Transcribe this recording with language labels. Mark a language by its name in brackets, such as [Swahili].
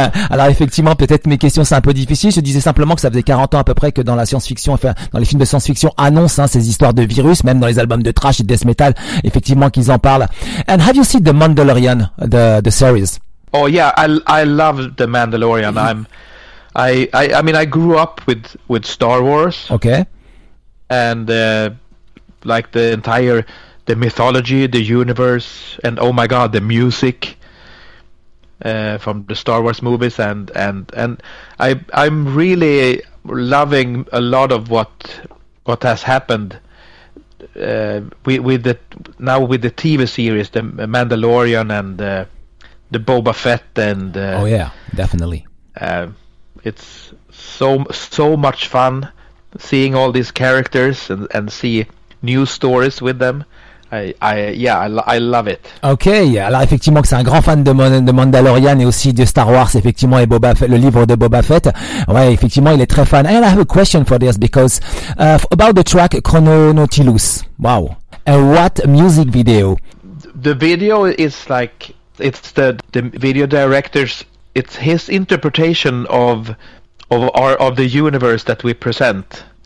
[French] Alors effectivement, peut-être mes questions c'est un peu difficile. Je disais simplement que ça faisait 40 ans à peu près que dans la science-fiction, enfin dans les films de science-fiction, annoncent ces histoires de virus, même dans les albums de trash et death metal, effectivement qu'ils en parlent. [English] And have you seen The Mandalorian, the series? Oh yeah, I love The Mandalorian. Mm-hmm. I mean I grew up with Star Wars. Okay. And like the entire the mythology, the universe, and oh my god, the music. From the Star Wars movies and I'm really loving a lot of what has happened with the TV series the Mandalorian and the Boba Fett and oh yeah, definitely. It's so much fun seeing all these characters and see new stories with them. I love it. [French] Okay, alors effectivement que c'est un grand fan de Mandalorian et aussi de Star Wars, effectivement, et Boba Fett, le livre de Boba Fett. Ouais, effectivement, il est très fan. [English] And I have a question for this because about the track Chrononautilus. Wow. And what music video? The video is like it's the video director's it's his interpretation of the universe that we present.